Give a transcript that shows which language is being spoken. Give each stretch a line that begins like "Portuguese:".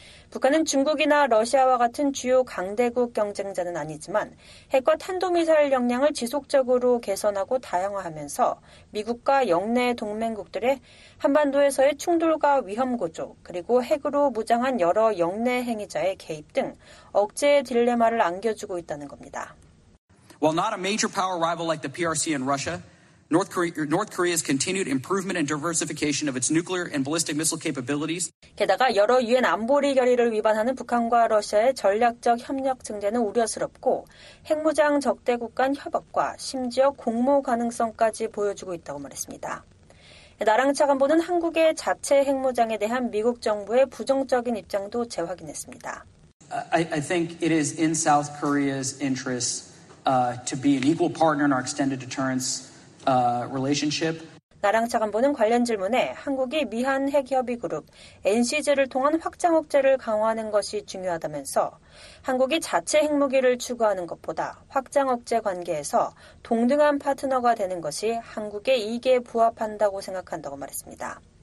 Korean: 북한은 중국이나 러시아와 같은 주요 강대국 경쟁자는 아니지만 핵과 탄도미사일 역량을 지속적으로 개선하고 다양화하면서 미국과 영내 동맹국들의 한반도에서의 충돌과 위험 구조 그리고 핵으로 무장한 여러 영내 행위자의 개입 등 억제의 딜레마를 안겨주고 있다는 겁니다.
English: While not a major power rival like the PRC and Russia, North Korea's continued improvement and diversification of its nuclear and ballistic missile capabilities.
Korean: 게다가 여러 유엔 안보리 결의를 위반하는 북한과 러시아의 전략적 협력 증대는 우려스럽고 핵무장 적대국 간 협업과 심지어 공모 가능성까지 보여주고 있다고 말했습니다. 나랑 차관보는 한국의 자체 핵무장에 대한 미국 정부의 부정적인 입장도 재확인했습니다.
English: I think it is in South Korea's interest to be an equal partner in our extended deterrence. Relationship.
Korean: 나랑 차관보는 관련 질문에 한국이 미한 핵협의 그룹 NCG를 통한 확장 억제를 강화하는 것이 중요하다면서 한국이 자체 핵무기를 추구하는 것보다 확장 억제 관계에서 동등한 파트너가 되는 것이 한국의 이익에 부합한다고 생각한다고 말했습니다.